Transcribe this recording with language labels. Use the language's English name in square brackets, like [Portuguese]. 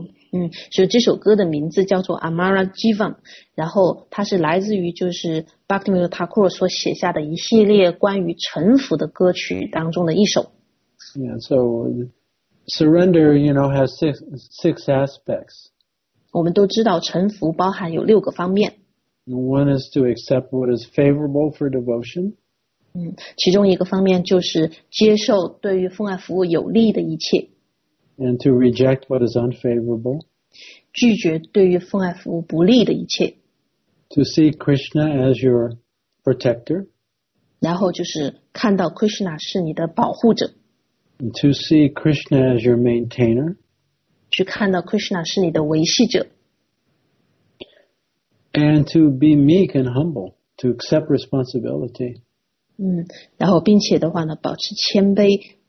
[Chinese] 嗯，所以这首歌的名字叫做 Amara Jivan， 然后它是来自于就是 Bhaktivinoda Thakur 所写下的一系列关于臣服的歌曲当中的一首。 [English] Yeah, so surrender, has six aspects. [Chinese] 我们都知道臣服包含有六个方面。 [English] One is to accept what is favorable for devotion. [Chinese] 嗯，其中一个方面就是接受对于奉爱服务有利的一切。 [English] And to reject what is unfavorable. [Chinese] 拒绝对于奉爱服务不利的一切。 [English] To see Krishna as your protector. [Chinese] 然后就是看到 Krishna 是你的保护者。 [English] And to see Krishna as your maintainer. [Chinese] 去看到 Krishna 是你的维系者。 [English] And to be meek and humble, to accept responsibility. [Chinese] 嗯，然后并且的话呢，保持谦卑。